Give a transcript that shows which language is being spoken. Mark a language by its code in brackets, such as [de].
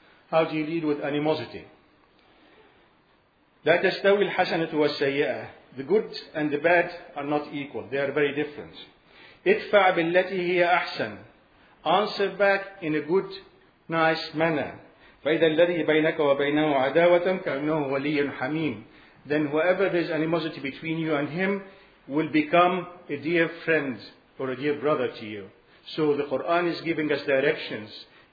[en] How do you deal with animosity? [ar] لَا تَشْتَوِي الْحَسَنَةُ وَلَسَّيِّئَةِ. [en] The good and the bad are not equal. They are very different. [ar] ادفع بالتي هي أحسن. [en] Answer back in a good, nice manner. [ar] فإذا الذي بينك وبينه عداوة كأنه ولي حميم. [en] Then whoever there is animosity between you and him will become a dear friend or a dear brother to you. So the Quran is giving us directions.